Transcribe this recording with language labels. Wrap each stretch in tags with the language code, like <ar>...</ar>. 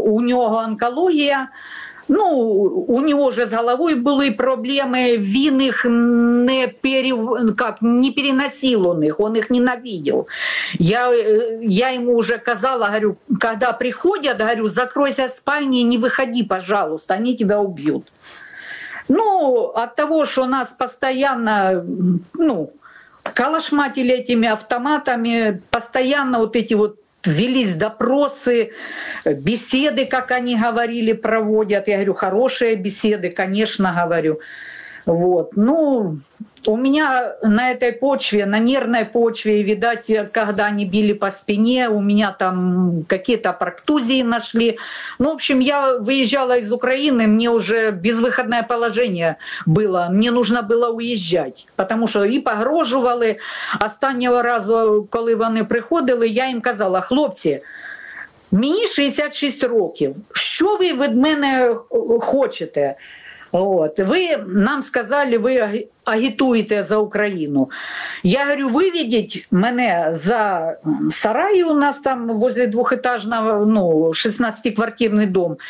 <uk>У нього онкологія, ну, у нього вже з головою були проблеми, він їх не, не переносив, він їх ненавидів. Я йому вже казала, говорю, коли приходять, говорю,</uk> <ru>закройся в спальні,</ru> <uk>не виходи,</uk> <ru>пожалуйста,</ru> <uk>вони тебе уб'ють. Ну, от того, що нас постійно, ну, калашматили</uk> <ru>этими автоматами, постоянно вот эти вот велись допросы, беседы, как они говорили, проводят. Я говорю, хорошие беседы, конечно, говорю. Вот. Ну, у меня на этой почве, на нервной почве, видать, когда они били по спине, у меня там какие-то проктузии нашли. Ну, в общем, я выезжала из Украины, мне уже безвыходное положение было, мне нужно было уезжать, потому что и погрожували.</ru> <uk>Останнего раза, коли вони приходили, я им казала, хлопці, мені 66 років, що ви від мене хочете? От. Ви нам сказали, ви агітуєте за Україну. Я говорю, виведіть мене за сарай у нас там возле двохэтажного, ну, 16-квартирний дом.</uk>